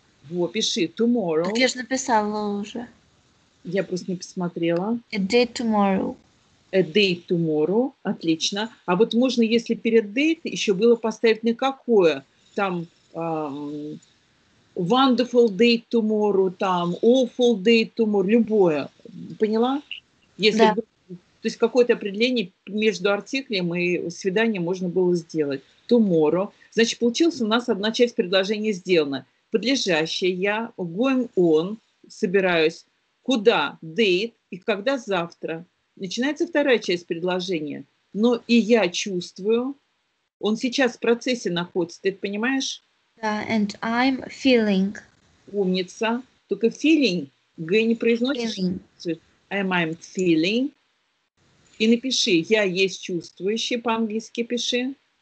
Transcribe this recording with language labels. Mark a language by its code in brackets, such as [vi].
[ru] Во, пиши, tomorrow. Так я же написала уже. Я просто не посмотрела. [en] A date tomorrow. A date tomorrow. [ru] Отлично. А вот можно, если перед date еще было поставить на какое... [en] Там wonderful day tomorrow, там awful day tomorrow, любое. [ru] Поняла? Если, да. То есть какое-то определение между артиклем и свиданием можно было сделать. [en] Tomorrow. [ru] Значит, получилось у нас одна часть предложения сделана. Подлежащее я, [en] going on, [ru] собираюсь. Куда? Date. И когда? Завтра. Начинается вторая часть предложения. Но и я чувствую... Он сейчас в процессе находится, ты это понимаешь? [en] Да, yeah, and I'm feeling. [ru] Умница. Только feeling, г не произносишь. [en] I'm feeling. [ru] И напиши, я есть чувствующий, по-английски пиши.